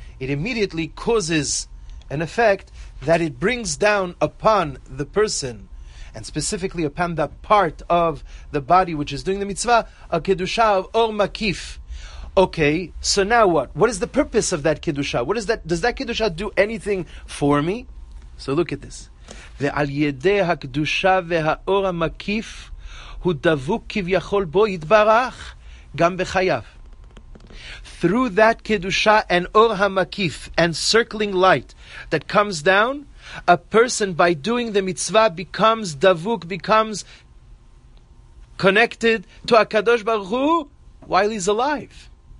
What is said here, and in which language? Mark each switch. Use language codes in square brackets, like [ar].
[en] It immediately causes an effect that it brings down upon the person, and specifically upon that part of the body which is doing the mitzvah, a kedusha of Or Makif. Okay, so now what? What is the purpose of that kedusha? What is that? Does that kedusha do anything for me? So look at this. [he] ועל ידי הקדושה והאור המקיף הוא דבוק כביכול בו יתברך גם בחייו. [en] Through that kedusha and or hamakif and circling light that comes down, a person by doing the mitzvah becomes davuk, becomes connected to HaKadosh Baruch Hu while he's alive.